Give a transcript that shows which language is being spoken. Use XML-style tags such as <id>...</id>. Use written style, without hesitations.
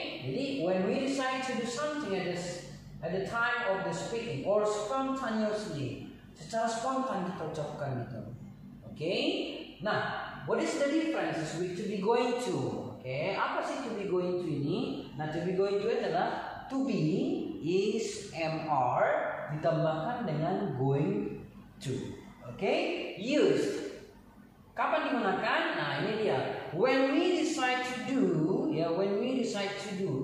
<id>Jadi</id> <en>when we decide to do something at the time of the speaking or spontaneously.</en> <id>Secara spontan kita ucapkan gitu.</id> <en>Okay? Nah, what is the difference with to be going to?</en> <id>Okay, apa sih to be going to ini? Nah, to be going to adalah to be is MR ditambahkan dengan going to.</id> <en>Okay? Used.</en> <id>Kapan digunakan? Nah, ini dia.</id> <en>When we decide to do, ya, when we decide to do.</en>